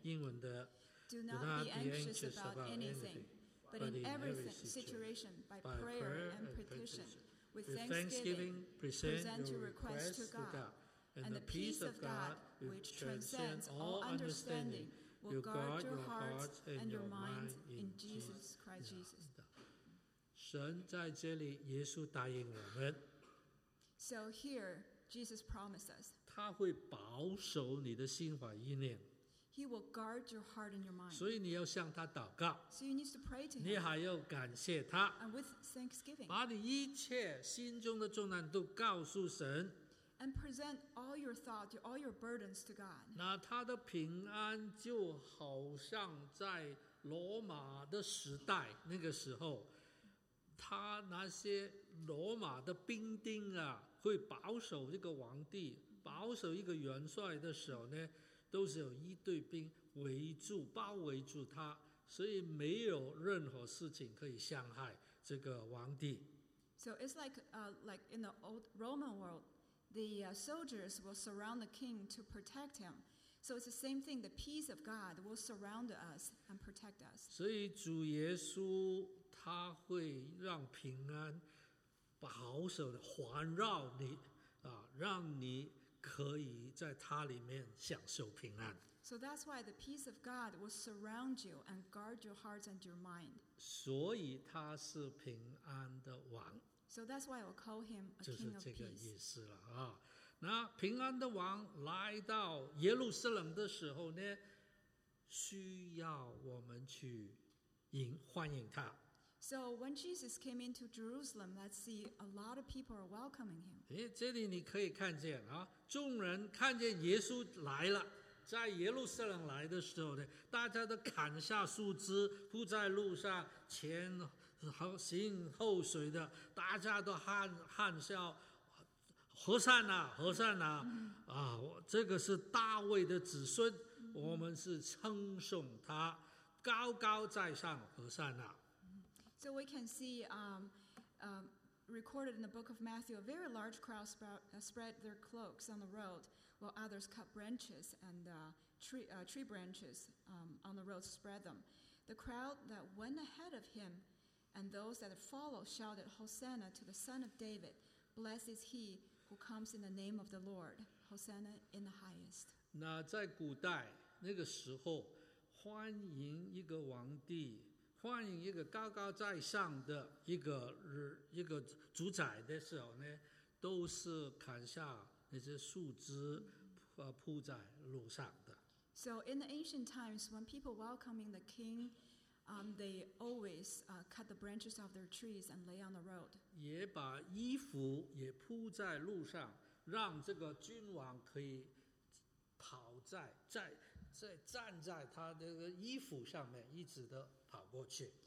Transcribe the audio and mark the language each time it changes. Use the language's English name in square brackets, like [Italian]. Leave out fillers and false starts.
[Chinese] 英文的 [English] Do not be anxious about anything, but in every situation, by prayer and petition, with thanksgiving, present your requests to God, and the peace of God, which transcends all understanding, will guard your hearts and your minds in Jesus Christ Jesus. [Chinese] 神在这里，耶稣答应我们。 [English] So here, Jesus promises. [Chinese] 他会保守你的心怀意念。 [English] He will guard your heart and your mind. [Chinese] 所以你要向他祷告。 [English] So you need to pray to him. [Chinese] 你还要感谢他。 [English] And with thanksgiving. [Chinese] 把你一切心中的重担都告诉神。 [English] And present all your thoughts, all your burdens to God. [Chinese] 那他的平安就好像在罗马的时代，那个时候，他那些罗马的兵丁啊，会保守一个皇帝，保守一个元帅的时候呢，都是有一队兵围住，包围住他，所以没有任何事情可以伤害这个皇帝。 [English] So it's like in the old Roman world. The soldiers will surround the king to protect him. So it's the same thing. The peace of God will surround us and protect us. [Chinese] 所以主耶稣他会让平安保守环绕你啊，让你可以在他里面享受平安。 [English] So that's why the peace of God will surround you and guard your hearts and your mind. [Chinese] 所以他是平安的王。 [English] So that's why we call him a king of peace. [Chinese] 就是这个意思了啊。那平安的王来到耶路撒冷的时候呢，需要我们去欢迎他。 [English] So when Jesus came into Jerusalem, let's see, a lot of people are welcoming him. [Chinese] 诶，这里你可以看见啊，众人看见耶稣来了，在耶路撒冷来的时候呢，大家都砍下树枝铺在路上，前行后随的，大家都喊笑，何善哪，何善哪，啊，这个是大卫的子孙，我们是称颂他，高高在上，何善哪。 [English] So we can see, recorded in the book of Matthew, a very large crowd spread their cloaks on the road, while others cut branches and tree branches on the road to spread them. The crowd that went ahead of him and those that followed shouted, Hosanna to the Son of David. Blessed is he who comes in the name of the Lord. Hosanna in the highest. [Chinese] 那在古代那个时候，欢迎一个皇帝，欢迎一个高高在上的一个主宰的时候呢，都是砍下那些树枝铺在路上的。 [English] So in the ancient times, when people welcoming the king, they always cut the branches of their trees and lay on the road. [Chinese] 也把衣服也铺在路上，让这个君王可以跑在站在他的衣服上面一直的跑过去。